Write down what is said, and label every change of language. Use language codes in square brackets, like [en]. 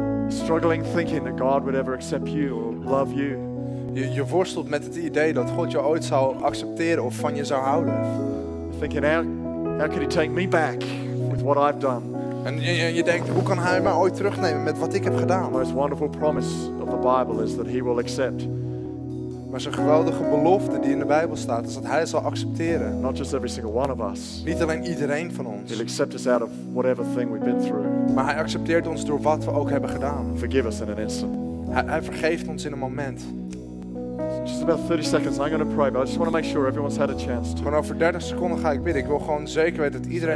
[en] Struggling thinking that God would ever accept you or love you. [nl] Je worstelt met het idee dat God je ooit zou accepteren of van je zou houden. [en] Thinking how could He take me back with what I've done? [nl] En je denkt, hoe kan Hij mij ooit terugnemen met wat ik heb gedaan? [en] The most wonderful promise of the Bible is that He will accept. [nl] Maar zo'n geweldige belofte die in de Bijbel staat is dat Hij zal accepteren. [en] Not just every single one of us. [nl] Niet alleen iedereen van ons. [en] He'll accept us out of whatever thing we've been through. [nl] Maar Hij accepteert ons door wat we ook hebben gedaan. [en] Forgive us in an instant. [nl] Hij vergeeft ons in een moment. [en] Just about 30 seconds. I'm going to pray, but I just want to make sure everyone's had a chance to. [nl] Gewoon over 30 seconden ga ik bidden. Ik wil gewoon zeker weten dat iedereen